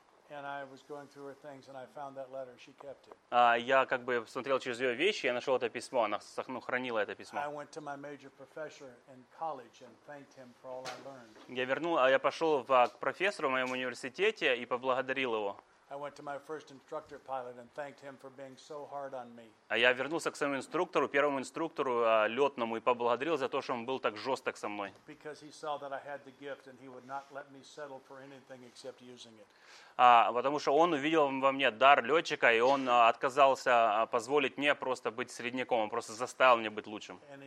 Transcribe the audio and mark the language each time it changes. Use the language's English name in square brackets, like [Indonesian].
[English] And I was going through her things, and I found that letter. She kept it. [Russian] Я как бы смотрел через ее вещи, я нашел это письмо. Она хранила это письмо. [English] I went to my major professor in college and thanked him for all I learned. [Russian] Я пошел к профессору в моем университете и поблагодарил его. [English] I went to my first instructor pilot and thanked him for being so hard on me. [Russian] Я вернулся к своему инструктору, первому инструктору летному, и поблагодарил за то, что он был так жесток со мной. [English] Because he saw that I had the gift and he would not let me settle for anything except using it. [Russian] Потому что он увидел во мне дар летчика, и он отказался позволить мне просто быть средняком, он просто заставил меня быть лучшим.